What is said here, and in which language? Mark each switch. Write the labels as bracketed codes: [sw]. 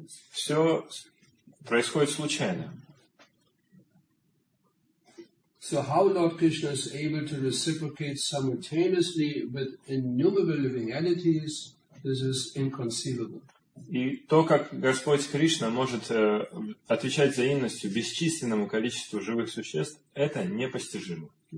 [ru] Все происходит случайно. [en] So how Lord Krishna is able to reciprocate simultaneously with innumerable living entities, this is inconceivable. [ru] И то, как Господь Кришна может отвечать взаимностью бесчисленному количеству живых существ, это непостижимо.